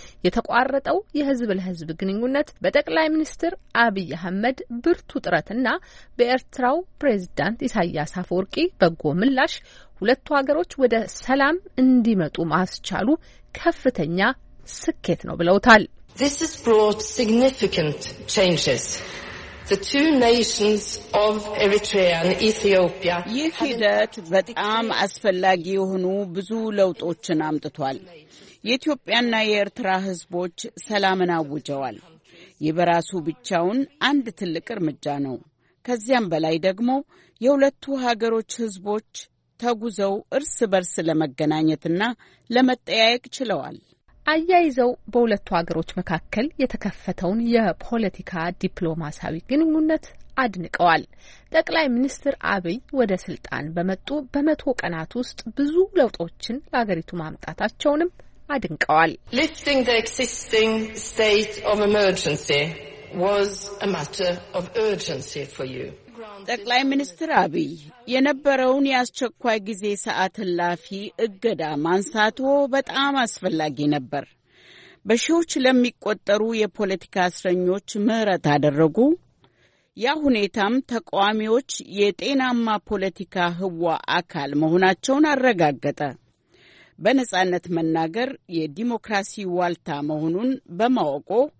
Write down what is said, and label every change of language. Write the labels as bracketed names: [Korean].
[Amharic] የተቋረጠው የህዝብ ለህዝብ ግንኙነት በጠቅላይ ሚኒስትር አብይ አህመድ ብርቱ ጥረትና በኤርትራው ፕሬዝዳንት ኢሳያስ አፈወርቂ በጎ ምላሽ ሁለቱ ሀገሮች ወደ ሰላም እንዲመጡ ማስቻሉ ከፍተኛ ስኬት ነው ብለውታል። [English] This has brought significant changes. The two nations of Eritrea and Ethiopia. [Amharic] ይህ ሂደት በጣም አስፈላጊ የሆኑ ብዙ ለውጦችን አምጥቷል። የኢትዮጵያና የኤርትራ ህዝቦች ሰላምን አውጀዋል። ይህ በራሱ ብቻውን አንድ ትልቅ እርምጃ ነው። ከዚያም በላይ ደግሞ የሁለቱ ሀገሮች ህዝቦች ተጉዘው እርስ በርስ ለመገናኘትና ለመጠያየቅ ችለዋል። አያይዘው በሁለቱ ሀገሮች መካከል የተከፈተውን የፖለቲካ ዲፕሎማሲያዊ ግንኙነት አድንቀዋል። ጠቅላይ ሚኒስትር አብይ ወደ ስልጣን በመጡ በመቶ ቀናት ውስጥ ብዙ ለውጦችን ለሀገሪቱ ማምጣታቸውንም አድንቀዋል። [English] Lifting the existing state of emergency was a matter of urgency for you. [Amharic] ጠቅላይ ሚኒስትር አብይ የነበረውን የአስቸኳይ ጊዜ ሰዓት እላፊ እገዳ ማንሳቶ በጣም አስፈላጊ ነበር። በሺዎች ለሚቆጠሩ የፖለቲካ እስረኞች ምህረት አደረጉ። ያ ሁኔታም ተቃዋሚዎች የጤናማ ፖለቲካ ህዋ አካል መሆናቸውን አረጋገጠ። በነጻነት መናገር የዲሞክራሲ ዋልታ መሆኑን በማወቁ